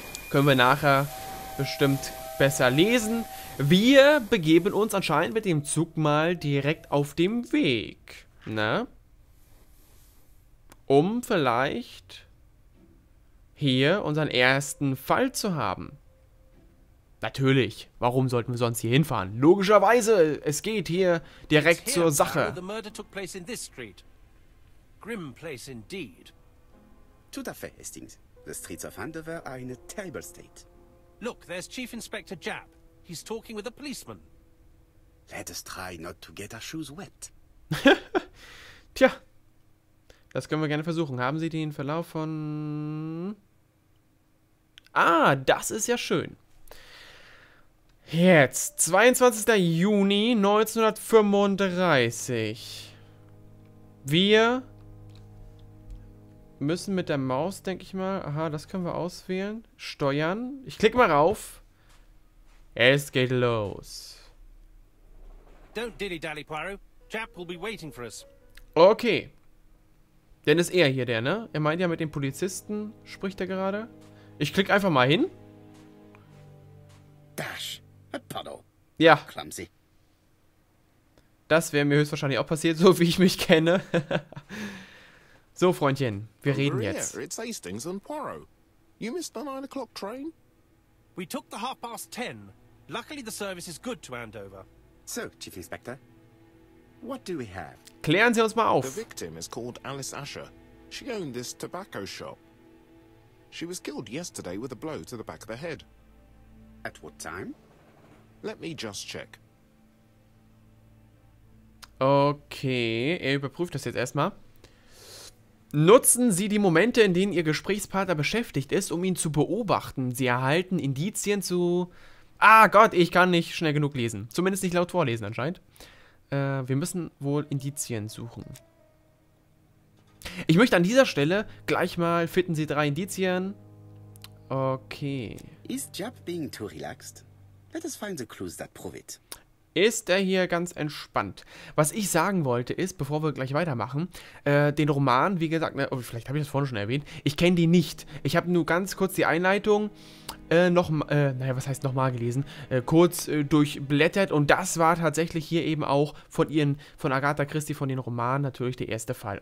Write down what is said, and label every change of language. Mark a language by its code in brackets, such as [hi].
[de] Können wir nachher bestimmt besser lesen. Wir begeben uns anscheinend mit dem Zug mal direkt auf dem Weg. Ne? Um vielleicht hier unseren ersten Fall zu haben. Natürlich. Warum sollten wir sonst hier hinfahren? Logischerweise, es geht hier direkt zur Sache. [en] The murder took place in this street. Grim place indeed. [fr] Tout à fait, Hastings. [en] The streets of Andover are in a terrible state. Look, there's Chief Inspector Japp. He's talking with a policeman. Let us try not to get our shoes wet. [de] Tja, das können wir gerne versuchen. Haben Sie den Verlauf von... Ah, das ist ja schön. Jetzt, 22. Juni 1935. Wir... müssen mit der Maus, denke ich mal. Aha, das können wir auswählen. Steuern. Ich klicke mal rauf. Es geht los. [en] Don't dilly-dally, Poirot. Chap will be waiting for us. [de] Okay. Denn ist er hier, der, ne? Er meint ja, mit dem Polizisten spricht er gerade. Ich klicke einfach mal hin. [en] Dash. A puddle. [de] Ja. [en] Clumsy. [de] Das wäre mir höchstwahrscheinlich auch passiert, so wie ich mich kenne. So, Freundchen, wir reden jetzt. [en] Maria, it's Hastings and Poirot. You missed the 9 o'clock train? We took the 10:30. Luckily, the service is good to Andover. So, Chief Inspector, what do we have? [de] Klären Sie uns mal auf. [en] The victim is called Alice Asher. She owned this tobacco shop. She was killed yesterday with a blow to the back of the head. At what time? Let me just check. [de] Okay, er überprüft das jetzt erstmal. Nutzen Sie die Momente, in denen Ihr Gesprächspartner beschäftigt ist, um ihn zu beobachten. Sie erhalten Indizien zu... Ah Gott, ich kann nicht schnell genug lesen. Zumindest nicht laut vorlesen anscheinend. Wir müssen wohl Indizien suchen. Ich möchte an dieser Stelle gleich mal finden Sie drei Indizien. Okay. [en] Is Jab being too relaxed? Let us find the clues that prove it. [de] Ist er hier ganz entspannt? Was ich sagen wollte ist, bevor wir gleich weitermachen, den Roman, wie gesagt, ne, oh, vielleicht habe ich das vorhin schon erwähnt, ich kenne die nicht. Ich habe nur ganz kurz die Einleitung gelesen, kurz durchblättert und das war tatsächlich hier eben auch von Agatha Christie, von den Romanen natürlich der erste Fall.